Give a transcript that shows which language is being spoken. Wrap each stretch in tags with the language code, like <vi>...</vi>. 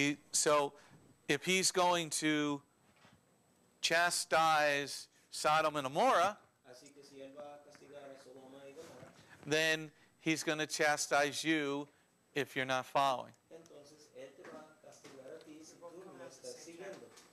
<en>So, if he's going to chastise Sodom and Gomorrah,</en> <es>así que si él va a castigar a Sodoma y Gomorrah,</es> <en>then he's going to chastise you if you're not following.</en> <es>Entonces, él te va a castigar a ti si tú no estás siguiendo.</es>